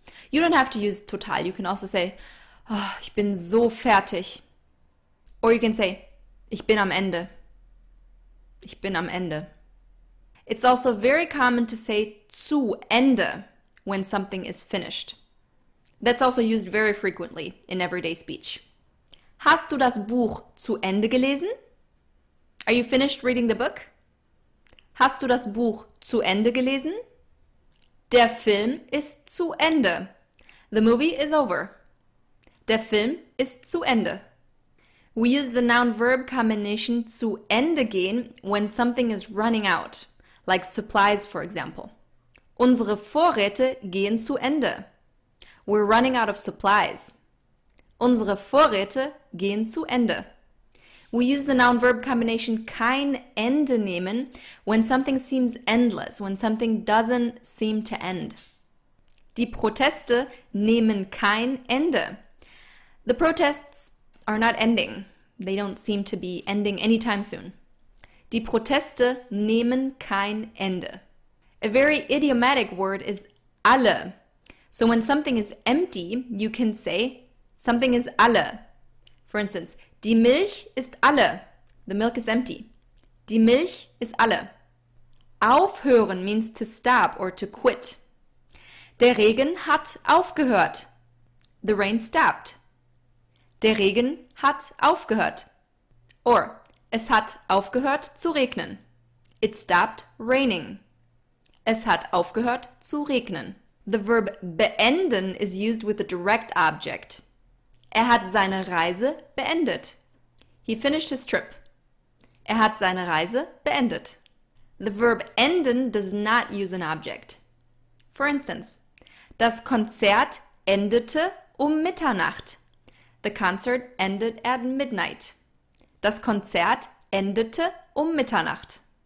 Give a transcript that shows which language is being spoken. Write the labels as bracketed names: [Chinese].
[English] You don't have to use total. You can also say, oh, [German] ich bin so fertig. [English] Or you can say, [German] ich bin am Ende. Ich bin am Ende. [English] It's also very common to say zu Ende when something is finished. That's also used very frequently in everyday speech. [German] Hast du das Buch zu Ende gelesen? [English] Are you finished reading the book? [German] Hast du das Buch zu Ende gelesen? Der Film ist zu Ende. [English] The movie is over. [German] Der Film ist zu Ende. [English] We use the noun-verb combination zu Ende gehen when something is running out, like supplies, for example. [German] Unsere Vorräte gehen zu Ende. [English] We're running out of supplies. [German] Unsere Vorräte gehen zu Ende. [English] We use the noun-verb combination kein Ende nehmen when something seems endless, when something doesn't seem to end. [German] Die Proteste nehmen kein Ende. [English] The protests are not ending. They don't seem to be ending anytime soon. [German] Die Proteste nehmen kein Ende. [English] A very idiomatic word is alle. So when something is empty, you can say something is alle. For instance, [German] die Milch ist alle. [English] The milk is empty. [German] Die Milch ist alle. [English] Aufhören means to stop or to quit. [German] Der Regen hat aufgehört. [English] The rain stopped. [German] Der Regen hat aufgehört. Or, es hat aufgehört zu regnen. [English] It stopped raining. [German] Es hat aufgehört zu regnen. [English] The verb beenden is used with a direct object. [German] Er hat seine Reise beendet. [English] He finished his trip. [German] Er hat seine Reise beendet. [English] The verb enden does not use an object. For instance, [German] das Konzert endete um Mitternacht. [English] The concert ended at midnight. [German] Das Konzert endete um Mitternacht.